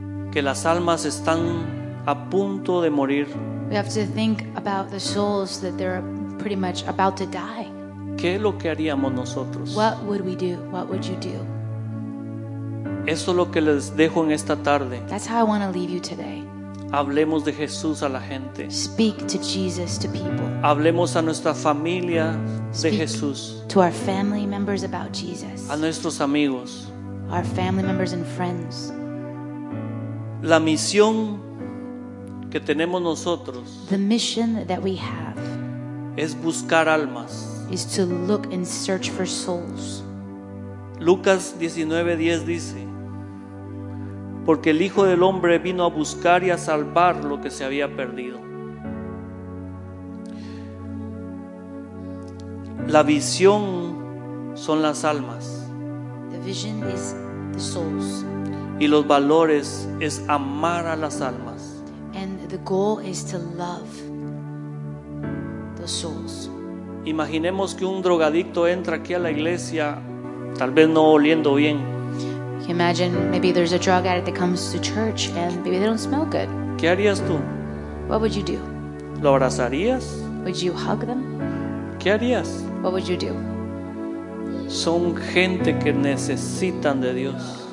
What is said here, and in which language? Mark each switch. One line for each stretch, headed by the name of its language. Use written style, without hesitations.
Spanish: Que las almas están a punto de morir.
English: We have to think about the souls that they're pretty much about to die.
Spanish: ¿Qué es lo que haríamos nosotros?
English: What would we do? What would you do?
Spanish: Eso es lo que les dejo en esta tarde.
English: That's how I want to leave you today.
Spanish: Hablemos de Jesús a la gente.
English: Speak to Jesus to people.
Spanish: Hablemos a nuestra familia de Jesús.
English: To our family members about Jesus.
Spanish: A nuestros amigos.
English: Our family members and friends.
Spanish: La misión que tenemos nosotros.
English: The mission that we have.
Spanish: Es buscar almas.
English: Is to look and search for souls.
Spanish: Lucas 19:10 dice, porque el Hijo del Hombre vino a buscar y a salvar lo que se había perdido. La visión son las almas.
English: The vision is the souls.
Spanish: Y los valores es amar a las almas.
English: And the goal is to love the souls.
Spanish: Imaginemos que un drogadicto entra aquí a la iglesia, tal vez no oliendo bien.
English: Imagine maybe there's a drug addict that comes to church and maybe they don't smell good.
Spanish: ¿Qué harías tú?
English: What would you do?
Spanish: ¿Lo abrazarías?
English: Would you hug them?
Spanish: ¿Qué harías?
English: What would you do?
Spanish: Son gente que necesitan de Dios.